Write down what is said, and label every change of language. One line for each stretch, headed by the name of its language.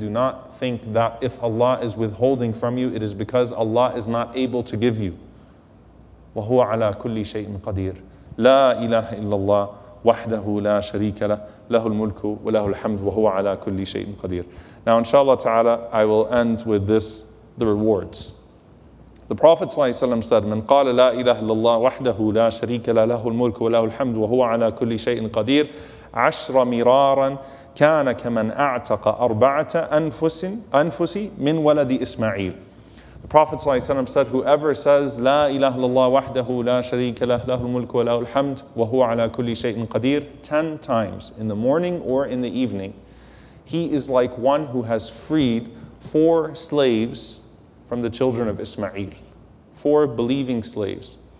English: Do not think that if Allah is withholding from you, it is because Allah is not able to give you.
Arabic: وَهُوَ عَلَىٰ كُلِّ شَيْءٍ قَدِيرٍ. لَا إِلَهَ إِلَّا اللَّهِ وَحْدَهُ لَا شَرِيكَ لَهُ لَهُ الْمُلْكُ وَلَهُ الْحَمْدُ وَهُوَ عَلَىٰ كُلِّ شَيْءٍ قَدِيرٍ.
English: Now inshallah ta'ala, I will end with this, the rewards. The Prophet ﷺ said,
Arabic: مَنْ قَالَ لَا إِلَهَ إِلَّا اللَّهُ وَحْدَهُ لَا شَرِيكَ لَهُ لَهُ الْمُلْكُ وَلَهُ الْحَمْدُ وَهُوَ عَلَىٰ كُلِّ شَيْءٍ قَدِيرٍ عَشْرَ مِرَارًا كَانَ كَمَنْ أَعْتَقَ أَرْبَعَةَ أَنْفُسِ مِنْ وَلَدِ إِسْمَعِيلٍ.
English: The Prophet ﷺ said, whoever says,
Arabic: لَا إِلَهَ إِلَّا اللَّهُ وَحْدَهُ لَا شَرِيكَ لَهُ لَهُ الْمُلْكُ وَلَهُ الْحَمْدُ وَهُوَ عَلَىٰ كُلِّ شَيْءٍ قَدِيرٍ
English: 10 times in the morning or in the evening, he is like one who has freed 4 slaves from the children of Ismail, 4 believing slaves.